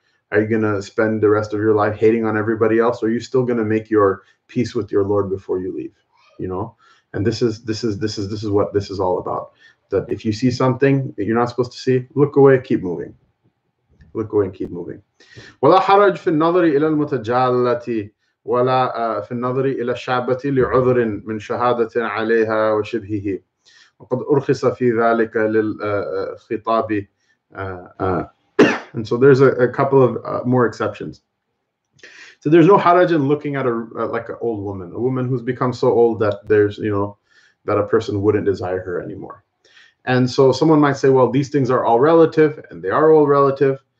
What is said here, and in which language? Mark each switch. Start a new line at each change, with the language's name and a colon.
English: Are you going to spend the rest of your life hating on everybody else, or are you still going to make your peace with your Lord before you leave? You know, and this is what this is all about. That if you see something that you're not supposed to see, look away, keep moving. Look away and keep moving.
Arabic: ولا حرج في النظر إلى المتجالات ولا في النظر إلى الشابة لعذر من شهادة عليها وشبهه وقد أرخص في ذلك للخطاب.
English: And so there's a couple of more exceptions. So there's no haraj in looking at like an old woman, a woman who's become so old that there's, you know, that a person wouldn't desire her anymore. And so someone might say, well, these things are all relative, and they are all relative.